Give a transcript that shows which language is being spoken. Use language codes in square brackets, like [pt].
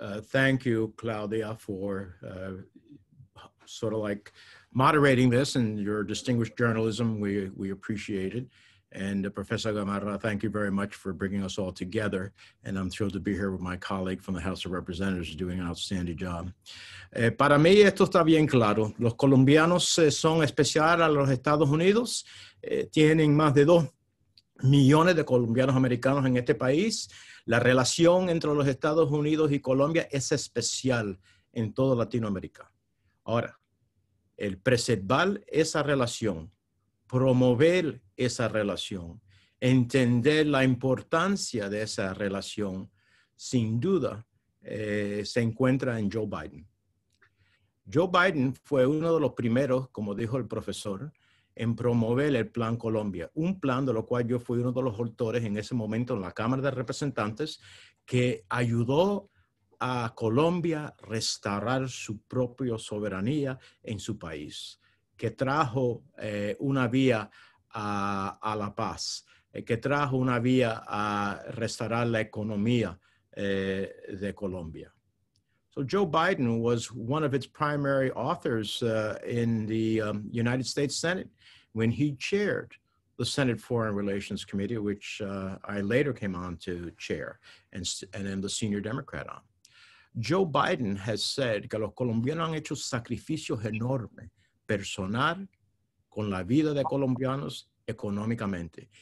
[en] Thank you, Claudia, for sort of like moderating this and your distinguished journalism. We appreciate it. And Professor Gamarra, thank you very much for bringing us all together. And I'm thrilled to be here with my colleague from the House of Representatives doing an outstanding job. [es] Para mí esto está bien claro. Los colombianos son especial a los Estados Unidos. Tienen más de 2 millones de colombianos americanos en este país. La relación entre los Estados Unidos y Colombia es especial en toda Latinoamérica. Ahora, el preservar esa relación, promover esa relación, entender la importancia de esa relación, sin duda, se encuentra en Joe Biden. Joe Biden fue uno de los primeros, como dijo el profesor, en promover el Plan Colombia, un plan de lo cual yo fui uno de los autores en ese momento en la Cámara de Representantes, que ayudó a Colombia a restaurar su propia soberanía en su país, que trajo una vía a la paz, que trajo una vía a restaurar la economía de Colombia. [en] So Joe Biden was one of its primary authors in the United States Senate when he chaired the Senate Foreign Relations Committee, which I later came on to chair and then the senior Democrat on. Joe Biden has said [es] que los colombianos han hecho sacrificios enormes personal con la vida de colombianos económicamente.